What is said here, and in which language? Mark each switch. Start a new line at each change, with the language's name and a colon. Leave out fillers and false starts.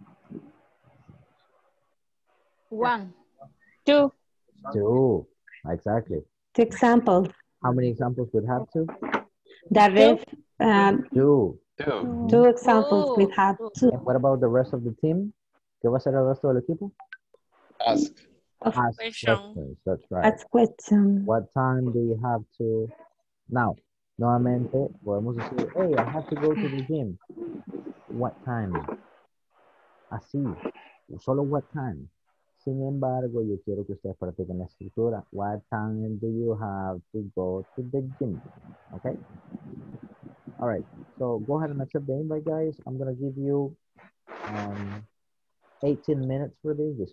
English: One. Two. Two. Exactly. Two examples. How many examples would have to? Two examples would have to. And what about the rest of the team?
Spanish: ¿Qué va a ser el resto del equipo?
English: Ask. Ask questions. That's right. Ask question. What time do you have to? Now,
Spanish: nuevamente, podemos decir,
English: hey, I have to go to the gym. What time?
Spanish: Así. Solo
English: what time.
Spanish: Sin embargo, yo quiero que ustedes practiquen la estructura.
English: What time do you have to go to the gym? Okay? All right. So, go ahead and accept the invite, guys. I'm going to give you 18 minutes for this.